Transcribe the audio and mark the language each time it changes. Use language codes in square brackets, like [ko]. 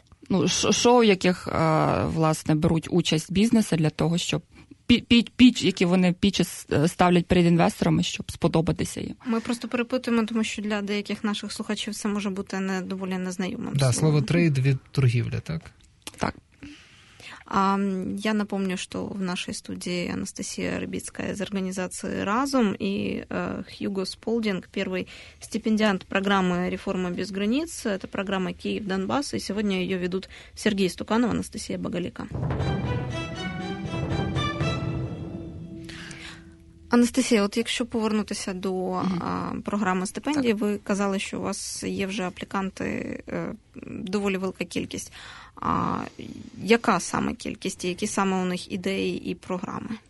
[uk] Ну, шоу, в яких, власне, беруть участь бізнеси для того, щоб піч, які вони пічі ставлять перед інвесторами, щоб сподобатися їм. Ми просто перепитуємо, тому що для деяких наших слухачів це може бути не доволі незнайомим. Да, слово трейд від торгівля, так? Так. [ru] Я напомню, что в нашей студии Анастасия Рыбицкая из организации «Разум» и Хьюго Сполдинг, первый стипендиант программы «Реформа без границ». Это программа «Киев-Донбасс», и сегодня ее ведут Сергей Стуканов, Анастасия Багалика. [uk] Анастасія, от якщо повернутися до програми стипендії, ви казали, що у вас є вже апліканти доволі велика кількість. А яка саме кількість, які саме у них ідеї і програми?